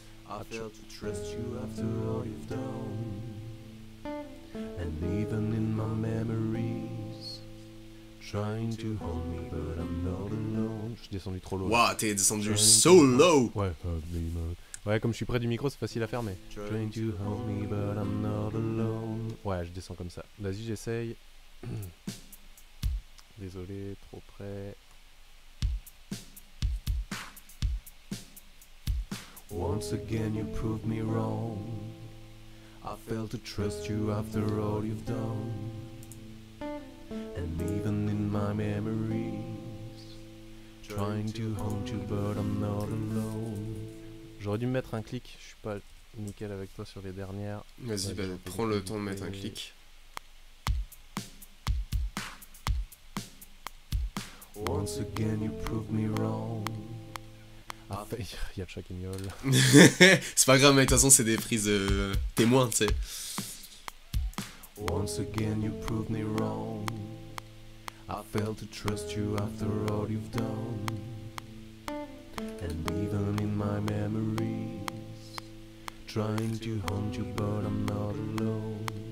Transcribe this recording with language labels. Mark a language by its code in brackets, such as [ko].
[en] I failed to trust you after all you've done. And even in my memories, trying to hold me, but I'm not alone. [fr] Je suis descendu trop low. Waouh, t'es descendu [en] so low. [fr] Ouais, comme je suis près du micro, c'est facile à faire, mais. [en] Trying to hold me, but I'm not alone. [fr] Ouais, je descends comme ça. Vas-y, j'essaye. Désolé, trop près. [en] Once again you proved me wrong. I failed to trust you after all you've done. And even in my memories, trying to haunt you but I'm not alone. [fr] J'aurais dû me mettre un clic, je suis pas nickel avec toi sur les dernières. Vas-y, bah, prends le temps de mettre un clic. [en] Once again you proved me wrong. [fr] Ah, il y a le chat qui miaule. C'est pas grave, mais de toute façon, c'est des prises témoins, tu sais. [en] Once again you proved me wrong. I failed to trust you after all you've done. And even in my memories, trying to haunt you but I'm not alone.